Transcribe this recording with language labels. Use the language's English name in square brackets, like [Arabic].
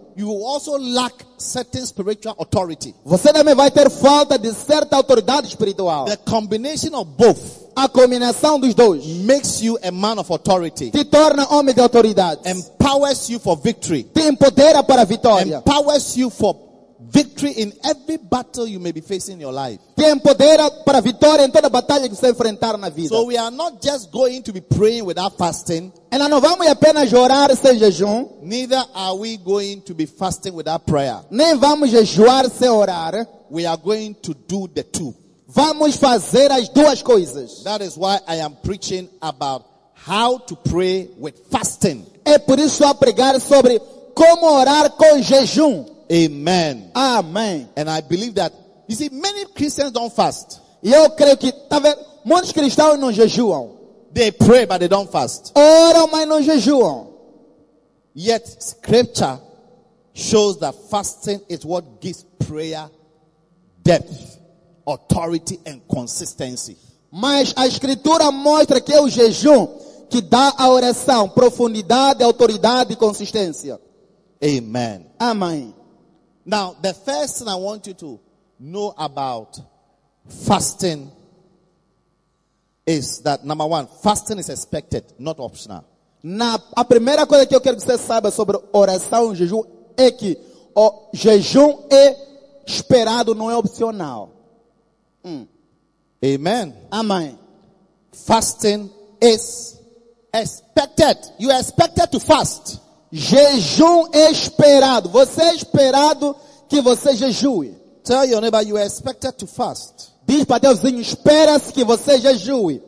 [English] You also lack certain spiritual authority. [Portuguese] Você também vai ter falta de certa autoridade espiritual. [English] The combination of both. [Portuguese] A combinação dos dois. [English] Makes you a man of authority. [Portuguese] Te torna homem de autoridade. [English] Empowers you for victory. [Portuguese] Te empodera para a vitória. [English] Empowers you for victory in every battle you may be facing in your life. [Portuguese] Te empodera para a vitória em toda batalha que você enfrentar na vida. [English] So we are not just going to be praying without fasting. [Portuguese] E não vamos apenas orar sem jejum. [English] Neither are we going to be fasting without prayer. [Portuguese] Nem vamos jejuar sem orar. [English] We are going to do the two. [Portuguese] Vamos fazer as duas coisas. [English] That is why I am preaching about how to pray with fasting. [Portuguese] É por isso que eu vou pregar sobre como orar com jejum. [English] Amen. [Portuguese] Amém. [English] And I believe that, you see, many Christians don't fast. [Portuguese] Eu creio que, tá vendo, muitos cristãos não jejuam. [English] They pray, but they don't fast. [Portuguese] Oram, mas não jejuam. [English] Yet, scripture shows that fasting is what gives prayer depth, authority and consistency. [Portuguese] Mas a escritura mostra que é o jejum que dá a oração profundidade, autoridade e consistência. [English] Amen. [Portuguese] Amém. [English] Now, the first thing I want you to know about fasting is that, number one, fasting is expected, not optional. [Portuguese] A primeira coisa que eu quero que você saiba sobre oração e jejum é que o jejum é esperado, não é opcional. [English] Amen. [Portuguese] Amém. [English] Fasting is expected. You are expected to fast. [Portuguese] Jejum é esperado. Você é esperado que você jejue. [English] Tell your neighbor you are expected to fast. [Portuguese] Diz para teu vizinho, espera-se que você jejue.